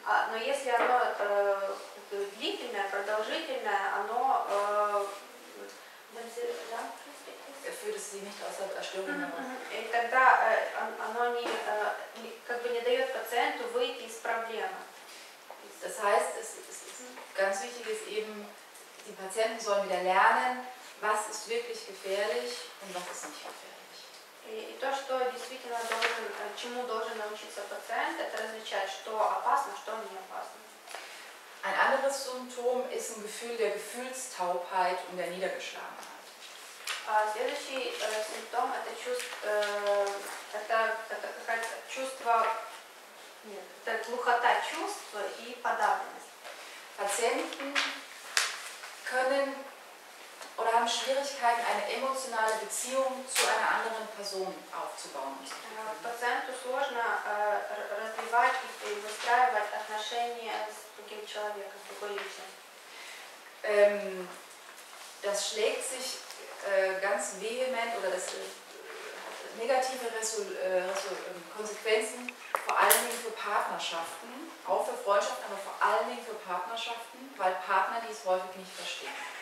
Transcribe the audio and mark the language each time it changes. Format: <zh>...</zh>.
<ru>Но если оно длительное, продолжительное, оно не дает пациенту выйти из проблемы.</ru> <de>Das heißt, ganz wichtig ist eben, die Patienten sollen wieder lernen, was ist wirklich gefährlich und was ist nicht gefährlich.</de> <ru>И то, что действительно должен, чему должен научиться пациент, это различать, что опасно, что не опасно.</ru> <de>Ein anderes Symptom ist ein Gefühl der Gefühlstaubheit und der Niedergeschlagenheit.</de> <ru>Следующий симптом – это глухота чувств и подавленность.</ru> <de>Patienten können oder haben Schwierigkeiten, eine emotionale Beziehung zu einer anderen Person aufzubauen.</de> <ru>Patienten сложно развивать и выстраивать отношения с другим человеком, с другой личностью.</ru> <de>Das schlägt sich ganz vehement oder das negative Konsequenzen vor allen Dingen für Partnerschaften, auch für Freundschaften, aber vor allen Dingen für Partnerschaften, weil Partner dies häufig nicht verstehen.</de>